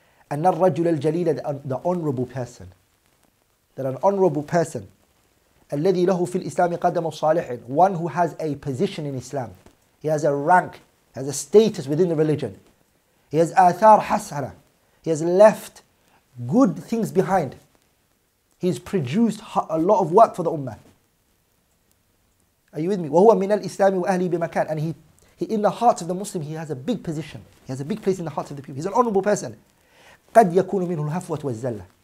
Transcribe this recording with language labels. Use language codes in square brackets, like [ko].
[ar] أن الرجل الجليل, [en] the honorable person. That an honorable person. [ar] الذي له في الإسلام قدم صالح. [en] One who has a position in Islam. He has a rank, has a status within the religion. He has [ar] آثار حسنة. [en] He has left good things behind. He's produced a lot of work for the ummah. Are you with me? [ar] وهو من الإسلام وأهلي بمكان. [en] And he in the hearts of the Muslim, he has a big position. He has a big place in the hearts of the people. He's an honorable person. [ar] قد يكون منه الهفوة والزلة.